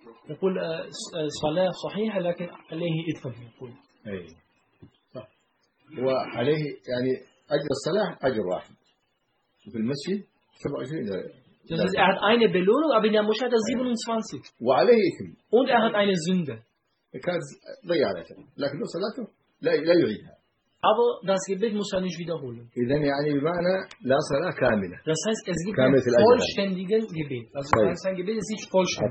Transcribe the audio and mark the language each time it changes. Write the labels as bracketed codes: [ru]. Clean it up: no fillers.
[ar] يقول صلاة صحيحة لكن عليه إثم يقول. أي. وعليه يعني أجر الصلاة أجر واحد في المسجد 27 درجة. [de] Das heißt, er hat eine Belohnung, aber in der Moschee hat er 27. [ar] وعليه إثم. [de] Und er hat eine Sünde. [ar] كان ضيع عليه، لكن لو صلاته لا يعيدها. [de] Aber das Gebet muss er nicht wiederholen. [ar] إذن يعني بمعنى لا صلاة كاملة. [de] Das heißt, es gibt ein vollständiges Gebet. Also sein Gebet ist nicht vollständig.